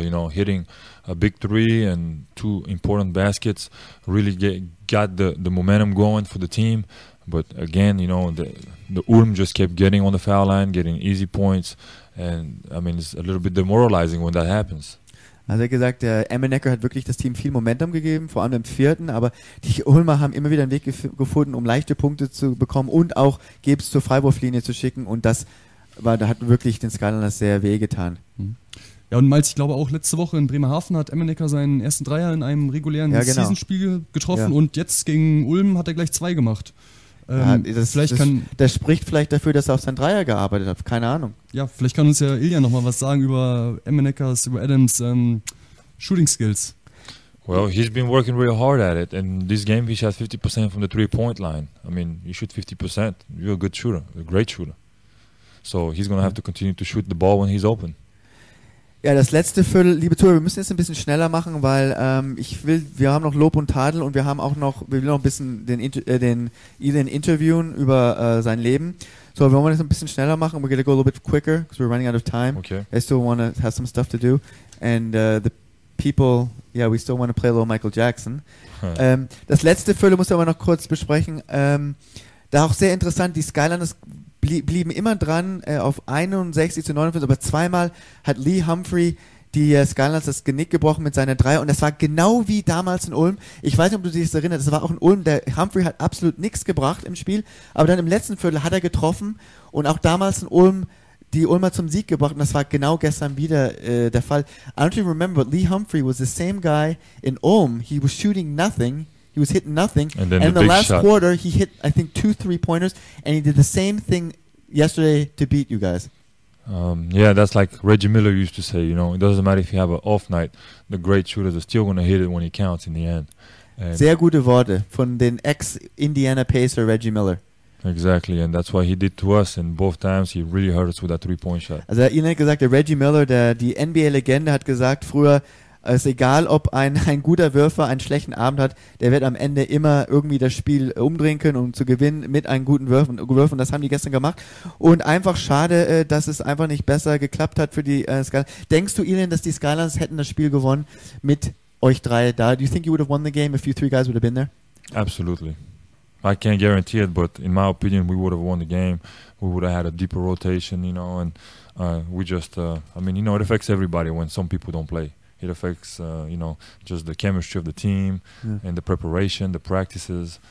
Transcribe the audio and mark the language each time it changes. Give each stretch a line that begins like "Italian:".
English: You know, hitting a big three and two important baskets really got the momentum going for the team. But again, you know, the Ulm just kept getting on the foul line, getting easy points. And I mean, it's a little bit demoralizing when that happens.
German: Also er hat gesagt, der Emenecker hat wirklich das Team viel Momentum gegeben, vor allem im vierten, aber die Ulmer haben immer wieder einen Weg gefunden, um leichte Punkte zu bekommen und auch Gibbs zur Freiwurflinie zu schicken und das war, da hat wirklich den Skylanders sehr wehgetan. Ja und Malz, ich glaube auch letzte Woche in Bremerhaven hat Emenecker seinen ersten Dreier in einem regulären Season-Spiel getroffen und jetzt gegen Ulm hat er gleich zwei gemacht. Das spricht vielleicht dafür, dass er auf sein Dreier gearbeitet hat, keine Ahnung. Ja, vielleicht kann uns ja Ilja nochmal was sagen über Emenekas, über Adams Shooting Skills.
English: Well, he's been working really hard at it and this game he shot 50% from the 3-point line. I mean, you shoot 50%, you're a good shooter, a great shooter. So he's gonna have to continue to shoot the ball when he's open.
German: Ja, das letzte Viertel, liebe Tour, wir müssen jetzt ein bisschen schneller machen, weil wir haben noch Lob und Tadel und wir haben auch noch, wir wollen noch ein bisschen den Ilian interviewen über sein Leben. So, wir wollen jetzt ein bisschen schneller machen.
English: We're gonna go a little bit quicker, because we're running out of time. Okay. I still want to have some stuff to do. And the people, yeah, we still want to play a little Michael Jackson.
German: Das letzte Viertel muss ich aber noch kurz besprechen. Da auch sehr interessant, die Skylanders blieben immer dran auf 61-59, aber zweimal hat Lee Humphrey die Skylanders das Genick gebrochen mit seiner Dreier und das war genau wie damals in Ulm. Ich weiß nicht, ob du dich das erinnerst, das war auch in Ulm, der Humphrey hat absolut nichts gebracht im Spiel, aber dann im letzten Viertel hat er getroffen und auch damals in Ulm die Ulmer zum Sieg gebracht und das war genau gestern wieder der Fall.
English: I don't even remember, but Lee Humphrey was the same guy in Ulm, he was shooting nothing. He was hitting nothing, and in the last shot. Quarter he hit, I think, 2 3-pointers, and he did the same thing yesterday to beat you guys. Yeah, that's like Reggie Miller used to say, you know, it doesn't matter if you have an off night, the great shooters are still going to hit it when he counts in the end.
German: And sehr gute Worte von den ex-Indiana Pacer Reggie Miller.
English: Exactly, and that's what he did to us, and both times he really hurt us with that 3-point shot.
German: Also er hat gesagt, der Reggie Miller, die NBA-Legende, hat gesagt, früher, es ist egal, ob ein guter Würfer einen schlechten Abend hat, der wird am Ende immer irgendwie das Spiel umdrehen können, um zu gewinnen mit einem guten Würfen. Das haben die gestern gemacht. Und einfach schade, dass es einfach nicht besser geklappt hat für die Skylanders. Denkst du, Ilian, dass die Skylanders hätten das Spiel gewonnen mit euch drei da?
English: Do you think you would have won the game if you three guys would have been there? Absolutely. I can't guarantee it, but in my opinion, we would have won the game. We would have had a deeper rotation, you know, and we just, I mean, you know, it affects everybody when some people don't play. It affects, you know, just the chemistry of the team and the preparation, the practices.